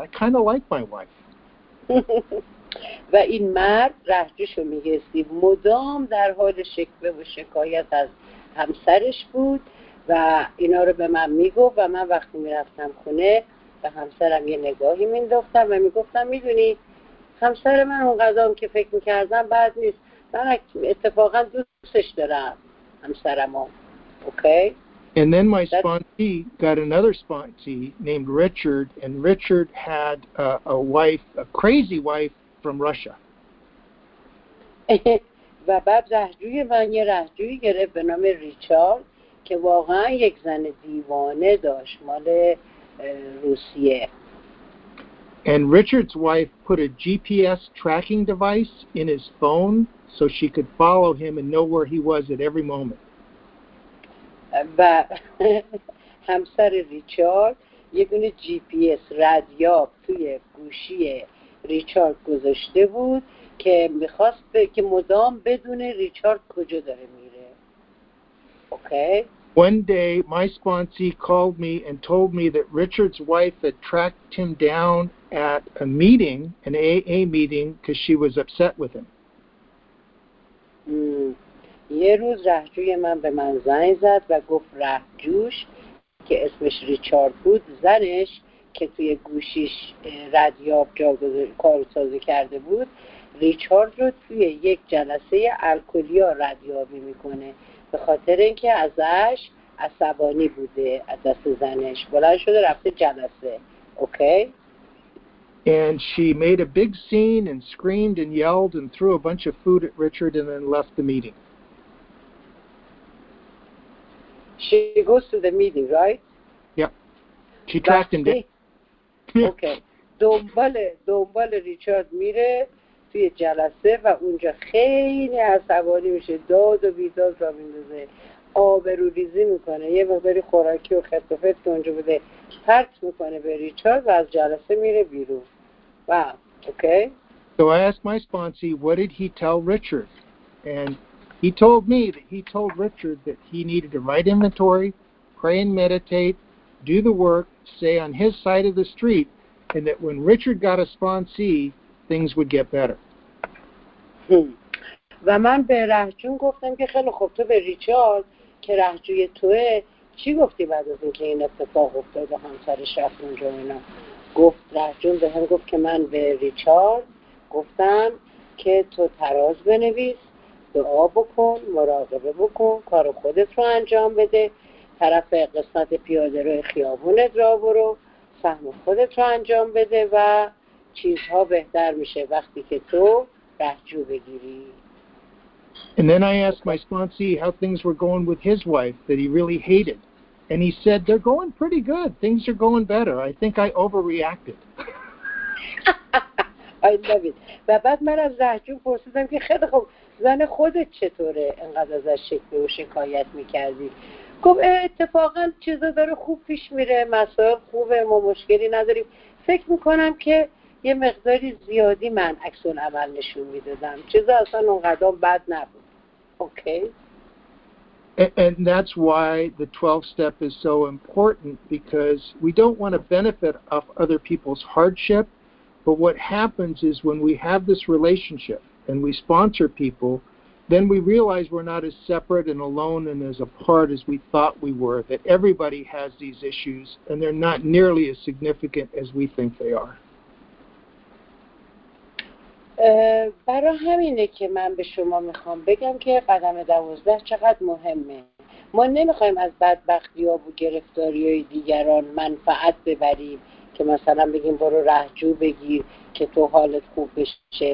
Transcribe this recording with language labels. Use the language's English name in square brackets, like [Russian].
[English] I kind of like my wife. [Persian] و این مرد رهجوشو میگستی مدام در حال شکوه و شکایت از همسرش بود و اینا رو به من میگفت و من وقتی میرفتم خونه به همسرم یه نگاهی مینداختم و میگفتم میدونی همسر من اون قدام که فکر میکردم بد نیست، من اتفاقا دوستش دارم همسرم رو. [English] Okay? And then my sponsee got another sponsee named Richard, and Richard had a wife, a crazy wife from Russia. [Persian] و بعد رهجوی من یه رهجوی گرفت به نام ریچارد که واقعا یک زن دیوانه داشت مال روسیه. [English] And Richard's wife put a GPS tracking device in his phone so she could follow him and know where he was at every moment. [Persian] و همسر ریچارد یه دونه GPS رادیو توی گوشی ریچارد گذاشته بود که می‌خواست که مدام بدونه ریچارد کجا داره میره. [English] Okay? One day, my sponsee called me and told me that Richard's wife had tracked him down at a meeting, an AA meeting, because she was upset with him. [Persian] یه روز رهجوی من به من زنگ زد و گفت رهجوش که اسمش ریچارد بود، زنش که توی گوشیش ردیاب جا کار سازه کرده بود، ریچارد رو توی یک جلسه الکلی ها ردیابی میکنه به خاطر اینکه ازش عصبانی بوده از دست زنش، بلند شده رفته جلسه. [English] Okay? And she made a big scene and screamed and yelled and threw a bunch of food at Richard and then left the meeting. She goes to the meeting, right? Yep. She tracked him down. Okay. [Persian] دنبال ریچارد میره توی جلسه و اونجا خیلی عصبانی میشه، داد و بیداد را میندازه، آبروریزی میکنه، یه مقداری خوراکی و خرت و پرت که اونجا بوده پرت میکنه به ریچارد و از جلسه میره بیرون. [English] Wow. Okay. So I asked my sponsee, what did he tell Richard? And he told me that he told Richard that he needed to write inventory, pray and meditate, do the work, stay on his side of the street, and that when Richard got a sponsee, things would get better. [Persian] و من به رهجون گفتم که خیلی خوب، تو به ریچارد که رهجوی توه چی گفتی بعد از اینکه این اتفاق افتاد و همسرش رفت اونجا اینا؟ گفت رهجون به هم گفت که من به ریچارد گفتم که تو تراز بنویس، دعا بکن، مراقبه بکن، کار خودت رو انجام بده، طرف قسمت پیاده روی خیابونت را برو، سهم خودت رو انجام بده و چیزها بهتر میشه وقتی که تو رهجو بگیری. [English] And then I asked my sponsee how things were going with his wife that he really hated. And he said, they're going pretty good. Things are going better. I think I overreacted. I love it. [Persian] و بعد من از رهجون پرسیدم که خیلی خوب، زن خودت چطوره؟ انقدر ازش شکوه و شکایت میکردی. گفت اتفاقا چیزا داره خوب پیش میره. مسائل خوبه. ما مشکلی نداریم. فکر میکنم که یه مقداری زیادی من عکس العمل نشون میدادم. چیزا اصلا اونقدر بد نبود. [English] Okay. And that's why the 12th step is so important, because we don't want to benefit off other people's hardship. But what happens is when we have this relationship and we sponsor people, then we realize we're not as separate and alone and as apart as we thought we were, that everybody has these issues and they're not nearly as significant as we think they are. [Persian] برای همینه که من به شما میخوام بگم که قدم 12 چقدر مهمه. ما نمیخوایم از بدبختی ها و گرفتاری های دیگران منفعت ببریم که مثلا بگیم برو رهجو بگیر که تو حالت خوب بشه.